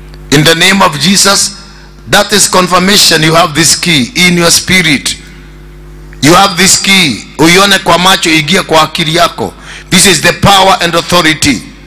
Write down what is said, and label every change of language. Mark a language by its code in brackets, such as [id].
[en] In the name of Jesus, that is confirmation you have this key in your spirit. You have this key. [sw] Uione kwa macho, igie kwa akili yako. [en] This is the power and authority.